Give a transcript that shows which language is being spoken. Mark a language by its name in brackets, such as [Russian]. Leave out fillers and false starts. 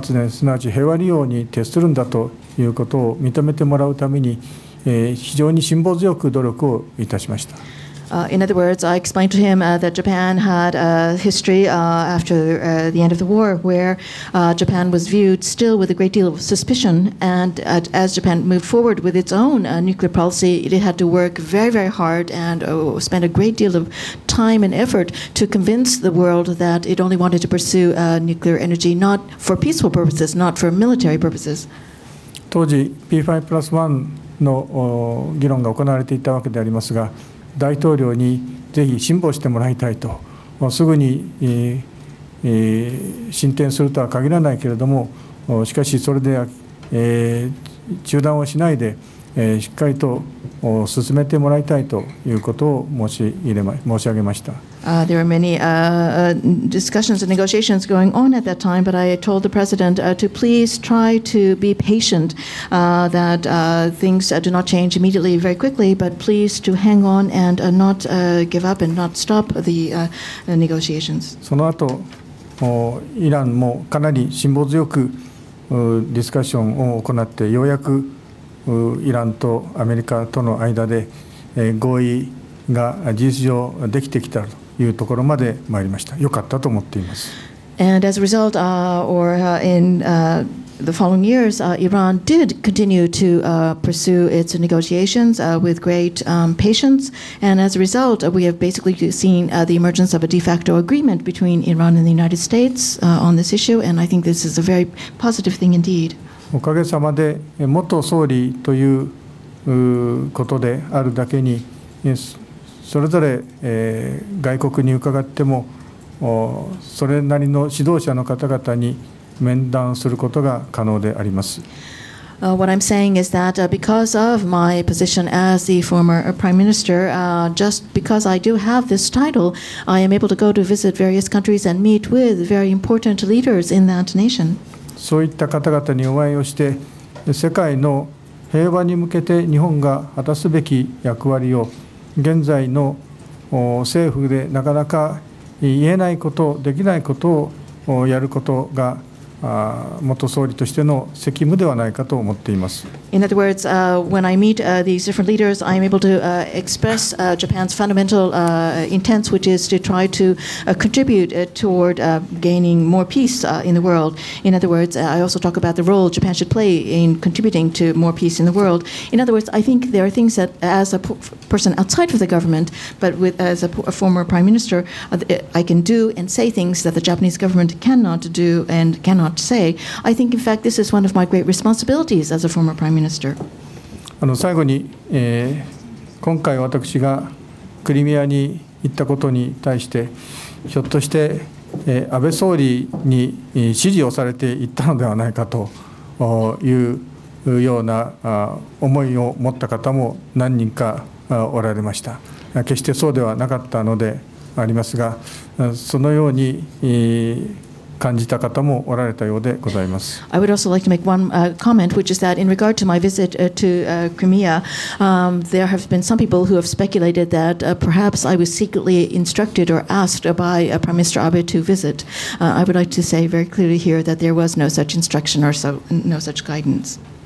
[Japanese] すなわち、この日本はまだ世界から疑われていた時に、原子力は決して原発を、原爆を作るためではなくて、原子力発電、すなわち平和利用に徹するんだと いうことを認めてもらうために、非常に辛抱強く努力をいたしました。 [English] In other words, I explained to him that Japan had a history after the end of the war where Japan was viewed still with a great deal of suspicion, and as Japan moved forward with its own nuclear policy, it had to work very, very hard and spend a great deal of time and effort to convince the world that it only wanted to pursue nuclear energy, not for peaceful purposes, not for military purposes. [Japanese] 当時 P5 plus 1 の議論が行われていたわけでありますが、大統領にぜひ辛抱してもらいたいと、すぐに進展するとは限らないけれども、しかしそれで中断をしないで、しっかりと進めてもらいたいということを申し上げました。 [English] There are many discussions and negotiations going on at that time, but I told the president to please try to be patient, that things do not change immediately very quickly, but please to hang on and not give up and not stop the negotiations. [Japanese] その後、イランもかなり辛抱強くディスカッションを行って、ようやくイランとアメリカとの間で合意が事実上できてきたというところまで参りました。良かったと思っています。 [English] And as a result, the following years, Iran did continue to pursue its negotiations with great patience. And as a result, we have basically seen the emergence of a de facto agreement between Iran and the United States on this issue. And I think this is a very positive thing indeed. [Japanese] おかげさまで、元総理ということであるだけに、それぞれ外国に伺っても、それなりの指導者の方々に面談することが可能であります。 [English] What I'm saying is that because of my position as the former Prime Minister, just because I do have this title, I am able to go to visit various countries and meet with very important leaders in that nation. [Japanese] そういった方々にお会いをして、世界の平和に向けて日本が果たすべき役割を現在の政府でなかなか言えないこと、できないことをやることが元総理としての責務ではないかと思っています。 [English] In other words, when I meet these different leaders, I am able to express Japan's fundamental intent, which is to try to contribute toward gaining more peace in the world. In other words, I also talk about the role Japan should play in contributing to more peace in the world. In other words, I think there are things that, as a person outside of the government, but with, as a former prime minister, I can do and say things that the Japanese government cannot do and cannot say. I think, in fact, this is one of my great responsibilities as a former prime minister. [Japanese] 最後に、今回私がクリミアに行ったことに対してひょっとして、安倍総理に指示をされて行ったのではないかというような思いを持った方も何人かおられました。決してそうではなかったのでありますが、そのように、感じた方もおられたようでございます。 [English] I would also like to make one comment, which is that in regard to my visit to Crimea, there have been some people who have speculated that perhaps I was secretly instructed or asked by Prime Minister Abe to visit. I would like to say very clearly here that there was no such instruction or no such guidance.